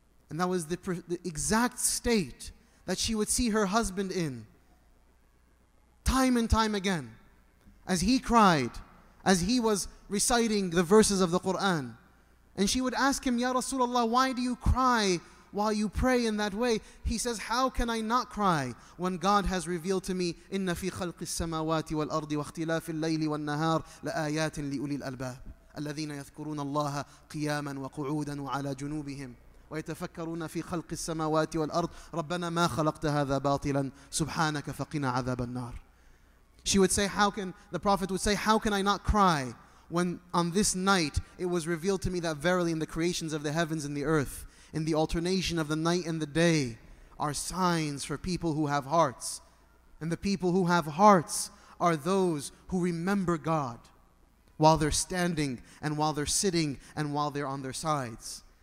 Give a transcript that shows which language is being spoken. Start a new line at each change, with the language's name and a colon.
English: And that was the exact state that she would see her husband in time and time again. As he cried, as he was reciting the verses of the Quran. And she would ask him, Ya Rasulullah, why do you cry while you pray in that way? He says, how can I not cry when God has revealed to me,
Arabic: إِنَّ فِي خَلْقِ السَّمَاوَاتِ وَالْأَرْضِ وَاخْتِلَافِ اللَّيْلِ وَالنَّهَارِ لَآيَاتٍ لِأُولِي الْأَلْبَابِ الَّذِينَ يَذْكُرُونَ اللَّهَ قِيَامًا وَقُعُودًا وَعَلَى جُنُوبِهِمْ ويتفكرون في خلق السماوات والأرض ربنا ما خلقت هذا باطلا سبحانك فقنا عذاب النار.
English: She would say, how can, the Prophet would say, how can I not cry when on this night it was revealed to me that verily in the creations of the heavens and the earth, in the alternation of the night and the day, are signs for people who have hearts. And the people who have hearts are those who remember God while they're standing and while they're sitting and while they're on their sides.